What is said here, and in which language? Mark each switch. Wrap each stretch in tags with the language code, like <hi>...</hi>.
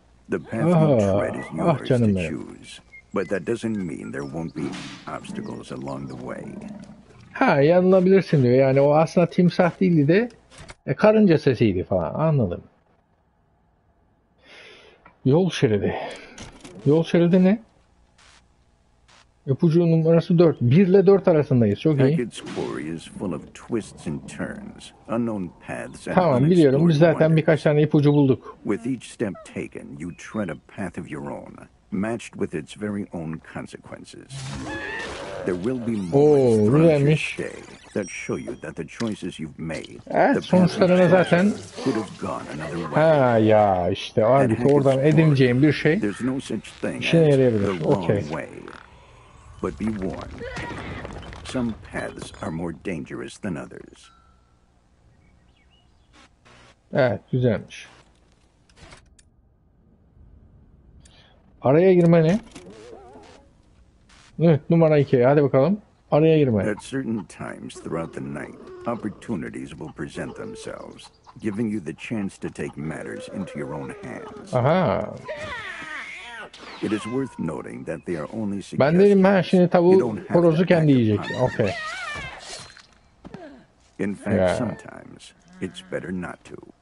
<en>The path you tread is yours to choose, but that doesn't mean there won't be obstacles along the way.</en> <tr>Ha, yanılabilirsin diyor. Yani o aslında timsah değildi de karınca sesiydi falan. Anladım. Yol şeridi. Yol şeridi ne? İpucu numarası 4. 1 ile 4 arasındayız. Çok iyi.</tr> <en>Hackett's Quarry is full of twists and turns, unknown paths and</en> <tr>tamam, biliyorum. Biz zaten birkaç tane ipucu bulduk.</tr> <en>With each step taken, you tread a path of your own, matched with its very own consequences. There will be moments throughout your stay that show you that the choices you've made,</en> <tr>sonuçlarına zaten</tr> <en>could have gone another way.</en> <tr>Ha ya, işte artık oradan edineceğim bir şey.</tr> <en>There's no such thing as the wrong way. But be warned, some paths are more dangerous than others.</en> <tr>Evet, güzelmiş. Araya girme ne? Evet, numara 2. Hadi bakalım. Araya girme.</tr> <en>At certain times throughout the night, opportunities will present themselves, giving you the chance to take matters into your own hands. Aha. It is worth noting that they are only suggested.</en> <tr>Ben dedim, ha şimdi tavuğu horozu kendi yiyecek.</tr> <en>Okay. In fact, yeah. Sometimes it's better not to.</en>